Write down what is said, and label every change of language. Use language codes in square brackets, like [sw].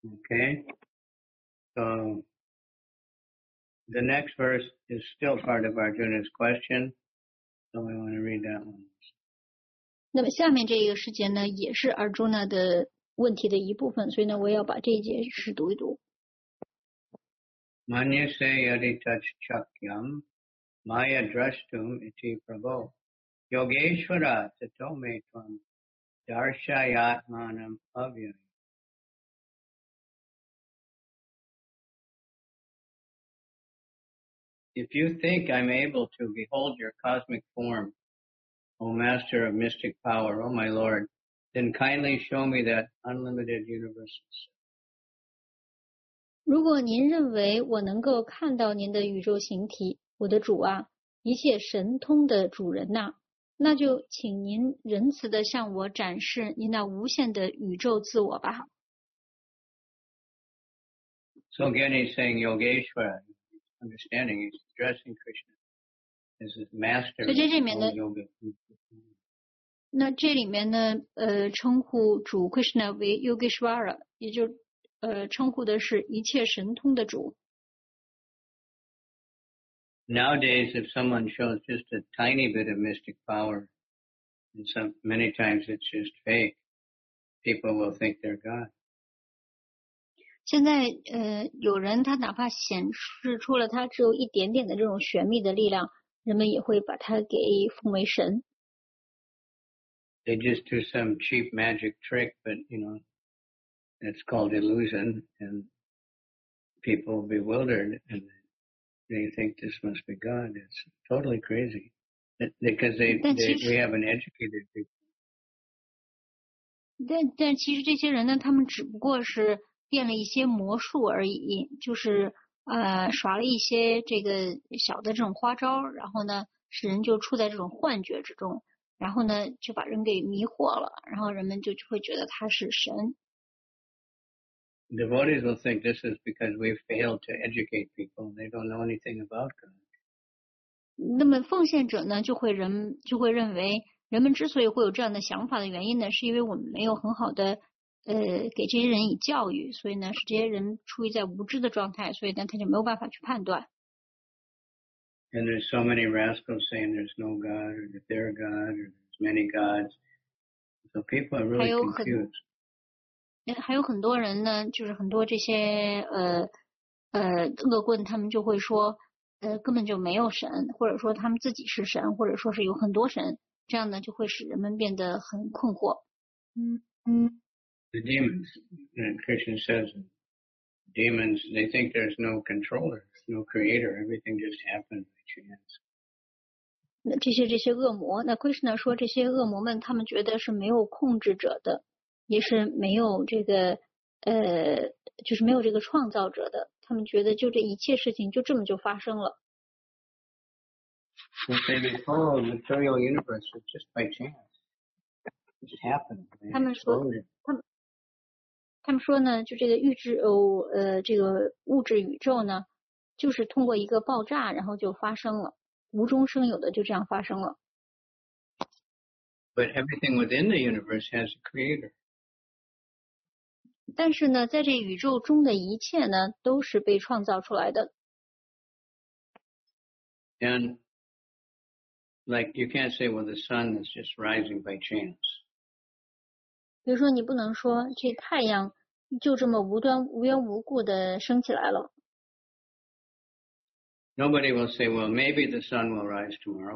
[en] Okay, so the next verse is still part of Arjuna's question, so we want to read that one. [zh] 那么下面这个时节呢，也是 Arjuna 的问题的一部分，所以呢，我要把这一节是读一读。 [sa] Manyase yadi tachchakyam, maya drashtum iti prabho, yogeshwara tatometvam darshayatmanam avyam. [en] If you think I'm able to behold your cosmic form, O Master of Mystic Power, O my Lord, then kindly show me that unlimited universal self. [zh] 如果您认为我能够看到您的宇宙形体，我的主啊，一切神通的主人呐，那就请您仁慈地向我展示您那无限的宇宙自我吧。 [en] So again, he's saying Yogeshwara. Understanding, he's addressing Krishna as his master. [zh] 所以这里面呢，那这里面呢，称呼主 Krishna 为 Yogeshwara， 也就称呼的是一切神通的主。 [en] Nowadays, if someone shows just a tiny bit of mystic power, and some many times it's just fake, people will think they're God. [zh] 现在有人他哪怕显示出了他只有一点点的这种玄秘的力量，人们也会把他给奉为神。 [en] They just do some cheap magic trick, but you know, it's called illusion, and people are bewildered, and they think this must be God. It's totally crazy, because we have an educated people. [zh] 但其实这些人呢，他们只不过是。变了一些魔术而已，就是耍了一些这个小的这种花招，然后呢，使人就处在这种幻觉之中，然后呢，就把人给迷惑了，然后人们就会觉得他是神。 [en] Devotees will think this is because we failed to educate people. They don't know anything about God. [zh] 那么奉献者呢，就会认为，人们之所以会有这样的想法的原因呢，是因为我们没有很好的给这些人以教育，所以呢，使这些人处于在无知的状态，所以呢，他就没有办法去判断。 [en] And there's so many rascals saying there's no God or that they're God or there's many gods, so people are really confused. [zh] 还有很多人呢，就是很多这些恶棍，他们就会说，根本就没有神，或者说他们自己是神，或者说是有很多神，这样呢就会使人们变得很困惑。 [en] The demons, Krishna says, demons, they think there's no controller, no creator, everything just happens by chance. [zh] 那这些恶魔，那 Krishna 说这些恶魔们，他们觉得是没有控制者的，也是没有这个就是没有这个创造者的，他们觉得就这一切事情就这么就发生了。 [en] They say they follow the material universe just by chance. It just happened. [zh] 他们说呢，就这个预知这个物质宇宙呢，就是通过一个爆炸，然后就发生了，无中生有的就这样发生了。 [en] But everything within the universe has a creator. [zh] 但是呢，在这宇宙中的一切呢，都是被创造出来的。 [en] And like you can't say, well, the sun is just rising by chance. [zh] 比如说你不能说这太阳就这么无缘无故的升起来了。 [en] Nobody will say, well, maybe the sun will rise tomorrow.